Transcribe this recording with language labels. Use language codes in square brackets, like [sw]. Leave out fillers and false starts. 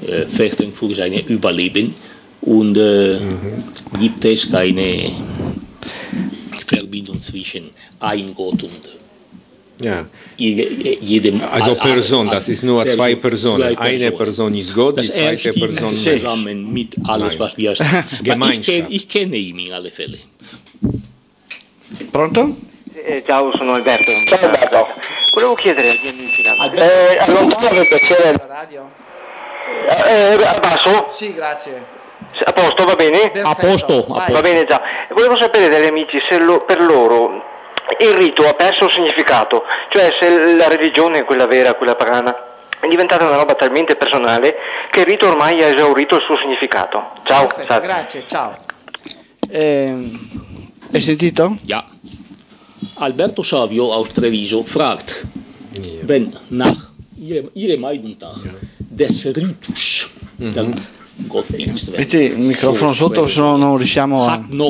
[de] fechten für sein Überleben und gibt es keine Verbindung zwischen ein Gott und jedem. Also Person, das ist nur zwei Personen. Eine Person ist Gott, die zweite Person ist zusammen mit alles, was wir sagen. Gemeinschaft. Ich kenne ihn in alle Fälle. [it] Pronto? Ciao, sono Alberto. Ciao Alberto. Volevo chiedere agli amici allontanare il piacere la radio. Abbasso? Sì, grazie. A posto, va bene? Perfetto. A posto, va bene già. Volevo sapere dagli amici se per loro il rito ha perso un significato, cioè se la religione è quella vera, quella pagana. è diventata una roba talmente personale che il rito ormai ha esaurito il suo significato. Ciao. Perfetto, grazie, ciao. Hai sentito? Già. [en] Yeah. [de] Alberto Savio, aus Treviso, fragt, wenn nach ihre Meinung nach des Ritus, [it] metti il microfono sotto, se no non riusciamo a...